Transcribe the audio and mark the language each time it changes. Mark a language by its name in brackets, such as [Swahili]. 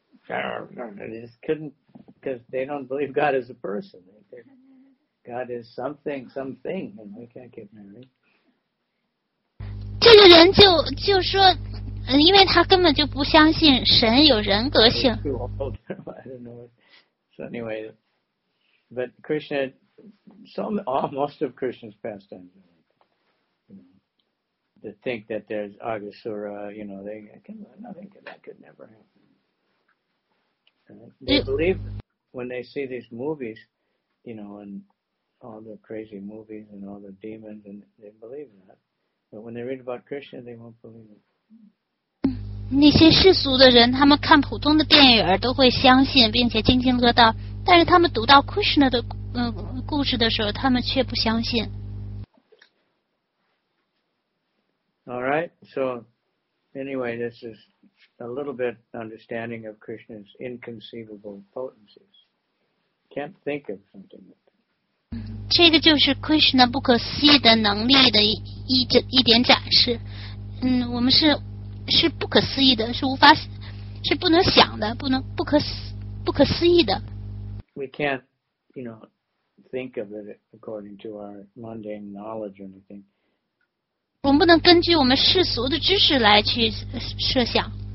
[English] Because they don't believe God is a person. God is something, and we can't get married. [Chinese] 这个人就说，因为他根本就不相信神有人格性。 [English] I don't know. So anyway. But Krishna, most of Krishna's pastimes, you know, to think that there's Agasura, you know, that could never happen. They believe when they see these movies, you know, and all the crazy movies and all the demons, and they believe that. But when they read about Krishna, they won't believe it. [Chinese] 那些世俗的人，他们看普通的电影都会相信，并且津津乐道。但是他们读到 Krishna 的故事的时候，他们却不相信。 [English] All right. So anyway, this is a little bit understanding of Krishna's inconceivable potencies. Can't think of something. [Chinese] 这个就是 Krishna 不可思议的能力的一点展示。我们是不可思议的，是无法，是不能想的，不可思议的。 [English] We can't, you know, think of it according to our mundane knowledge or anything. [Chinese] 我们不能根据我们世俗的知识来去设想。